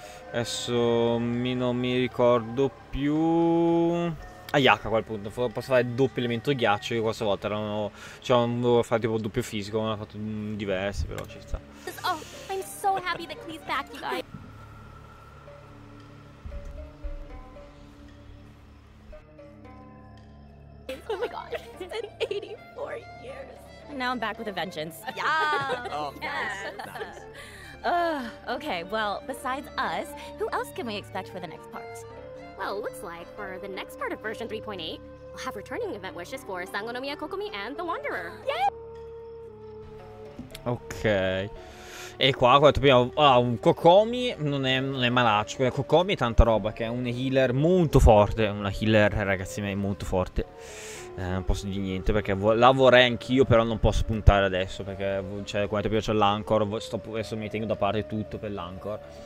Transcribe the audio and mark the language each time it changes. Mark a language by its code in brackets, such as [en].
[it] Adesso non mi ricordo più. Ayaka a quel punto. Posso fare doppio elemento ghiaccio. Io questa volta erano. Cioè, fare tipo doppio fisico, ma ho fatto diversi, però ci sta. [en] Oh, I'm so happy that Klee's back, you guys. Oh my gosh, it's been 84 years. Now I'm back with a vengeance. Yeah. Oh, nice. Nice. Okay, well, besides us, who else can we expect for the next part? Well, it looks like for the next part of version 3.8, we'll have returning event wishes for Sangonomiya Kokomi and the Wanderer. Yay! Okay. [it] E qua, come ho detto prima, un Kokomi non è malaccio. Kokomi è tanta roba, che è un healer molto forte. Una healer, ragazzi, è molto forte. Non posso dire niente, perché la vorrei anch'io, però non posso puntare adesso. Perché, cioè, come ho detto prima, c'è l'Anchor. Adesso mi tengo da parte tutto per l'Anchor.